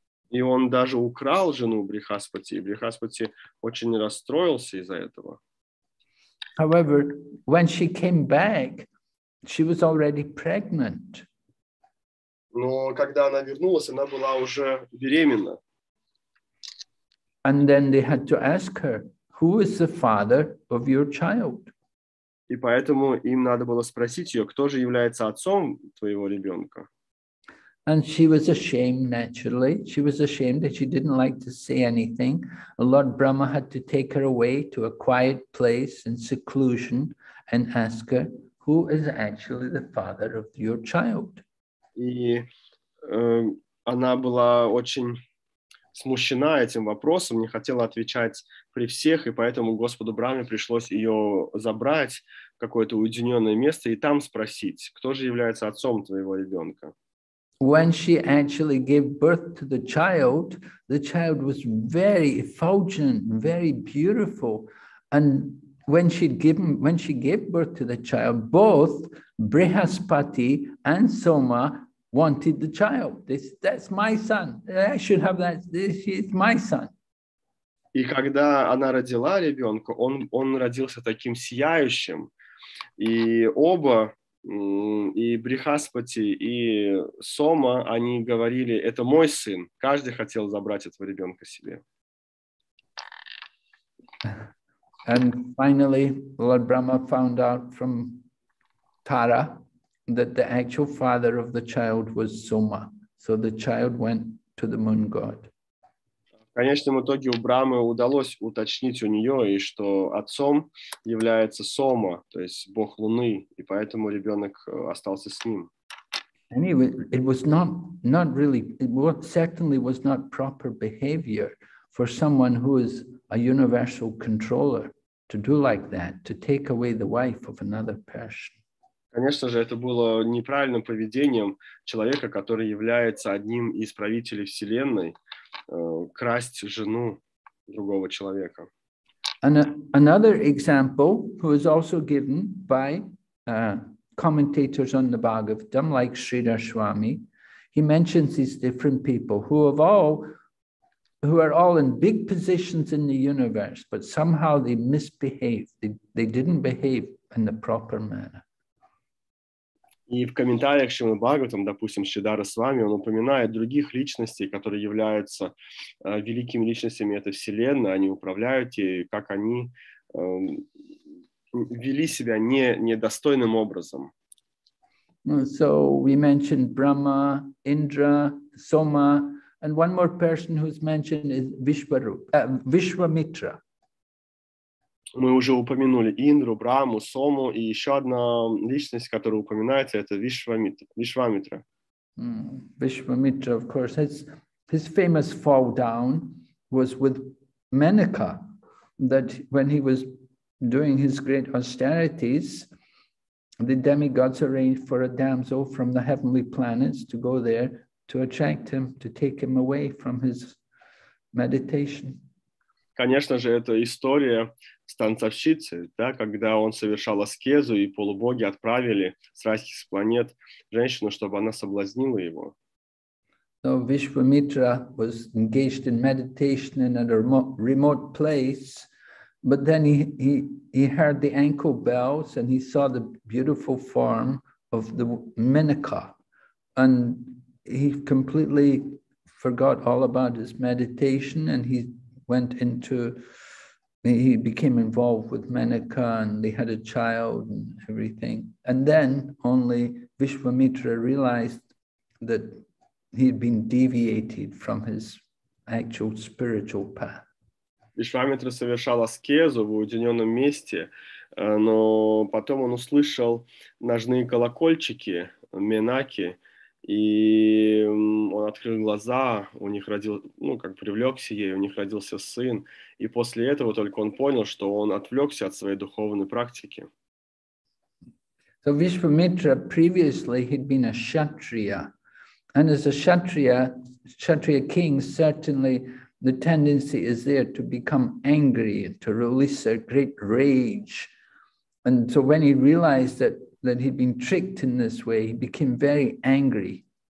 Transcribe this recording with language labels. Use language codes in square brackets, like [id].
[ru] И он даже украл жену Брихаспати, и Брихаспати очень расстроился из-за этого. [en] However, when she came back, she was already pregnant. [ru] Но когда она вернулась, она была уже беременна. [en] And then they had to ask her, who is the father of your child? [ru] И поэтому им надо было спросить ее, кто же является отцом твоего ребенка. [en] And she was ashamed, naturally. She was ashamed that she didn't like to say anything. Lord Brahma had to take her away to a quiet place in seclusion and ask her, who is actually the father of your child? [ru] И она была очень смущена этим вопросом, не хотела отвечать при всех, и поэтому Господу Браме пришлось ее забрать в какое-то уединенное место и там спросить, кто же является отцом твоего ребенка. [en] When she actually gave birth to the child was very effulgent, very beautiful. And when she gave birth to the child, both Brihaspati and Soma wanted the child. That's my son. I should have that. This is my son. [ru] И когда она родила ребенка, он родился таким сияющим, и оба. И Брихаспати, и Сома, они говорили, это мой сын. Каждый хотел забрать этого ребенка себе. [en] And finally, Lord Brahma found out from Tara that the actual father of the child was Soma. So the child went to the moon god. [ru] В конечном итоге у Брамы удалось уточнить у нее, и что отцом является Сома, то есть бог Луны, и поэтому ребенок остался с ним. [en] Anyway, it was not really, it certainly was not proper behavior for someone who is a universal controller to do like that, to take away the wife of another person. [ru] Конечно же, это было неправильным поведением человека, который является одним из правителей Вселенной, красть жену другого человека. [en] Another example was also given by commentators on the Bhagavatam, like Sridhar Swami. He mentions these different people who are all in big positions in the universe, but somehow they misbehave. They didn't behave in the proper manner. [ru] И в комментариях к Шримад Бхагаватам, допустим, Шридхара Свами, он упоминает других личностей, которые являются великими личностями этой вселенной, они управляют ей, как они вели себя недостойным образом. [en] So we mentioned Brahma, Indra, Soma, and one more person who's mentioned is Vishwamitra. [ru] Мы уже упомянули Индру, Браму, Сому, и еще одна личность, которая упоминается, это Вишвамитра. [en] Вишвамитра, of course. His famous fall down was with Menaka, that when he was doing his great austerities, the demigods arranged for a damsel from the heavenly planets to go there to attract him, to take him away from his meditation. [ru] Конечно же, это история с танцовщицей, да, когда он совершал аскезу, и полубоги отправили с райских планет женщину, чтобы она соблазнила его. [en] So Vishwamitra was engaged in meditation in a remote place, but then he heard the ankle bells and he saw the beautiful form of the Menaka, and he completely forgot all about his meditation, and he went into, he became involved with Menaka and they had a child and everything. And then only Vishwamitra realized that he had been deviated from his actual spiritual path. [ru] Вишвамитра совершал аскезу в уединенном месте, но потом он услышал ножные колокольчики Менаки, и он открыл глаза, у них привлекся ей, у них родился сын, и после этого только он понял, что он отвлекся от своей духовной практики. [en] So Vishwamitra previously had been a kshatriya, and as a kshatriya, kshatriya king, certainly the tendency is there to become angry, to release a great rage, and so when he realized that he'd been tricked in this way, he became very angry.